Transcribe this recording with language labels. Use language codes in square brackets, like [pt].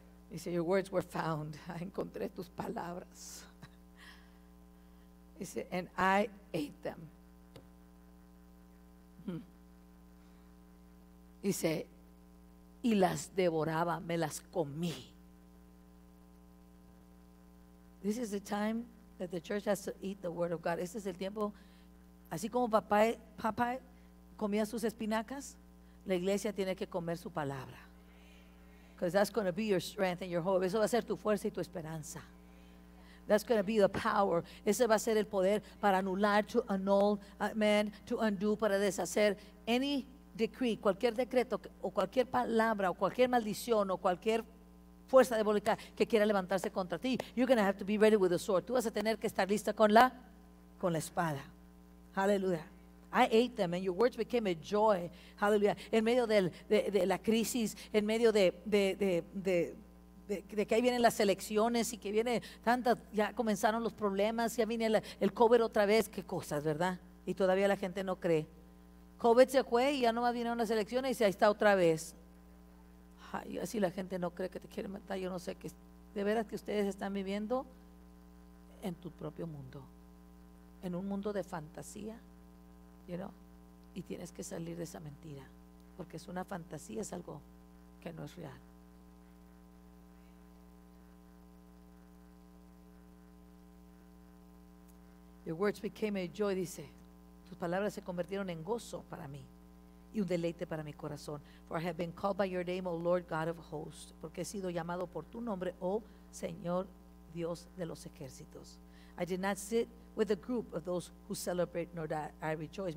[en] He said, your words were found. [es] Encontré tus palabras. [en] He said, and I ate them. He said, [es] y las devoraba, me las comí. [en] This is the time that the church has to eat the word of God. [es] Este es el tiempo, así como papá comía sus espinacas, la iglesia tiene que comer su palabra. [en] Because that's going to be your strength and your hope. [es] Eso va a ser tu fuerza y tu esperanza. [en] That's going to be the power. [es] Ese va a ser el poder para anular, [en] to annul, amen, to undo, [es] para deshacer [en] any decree, [es] cualquier decreto o cualquier palabra o cualquier maldición o cualquier fuerza diabólica que quiera levantarse contra ti. [en] You're going to have to be ready with the sword. [es] Tú vas a tener que estar lista con la espada. [en] Hallelujah. I ate them and your words became a joy. Hallelujah. [es] En medio de la crisis, en medio de que ahí vienen las elecciones y que viene tanta, ya comenzaron los problemas, ya viene el COVID otra vez. Qué cosas, ¿verdad? Y todavía la gente no cree. COVID se fue y ya no más vinieron las elecciones y ahí está otra vez. Ay, así la gente no cree que te quiere matar. Yo no sé qué. De veras que ustedes están viviendo en tu propio mundo, en un mundo de fantasía, you know? Y tienes que salir de esa mentira, porque es una fantasía, es algo que no es real. [en] Your words became a joy, [es] dice. Tus palabras se convirtieron en gozo para mí y un deleite para mi corazón. [en] For I have been called by your name, O Lord God of hosts. [es] Porque he sido llamado por tu nombre, oh Señor Dios de los ejércitos. [en] I did not sit with a group of those who celebrate, nor did I rejoice.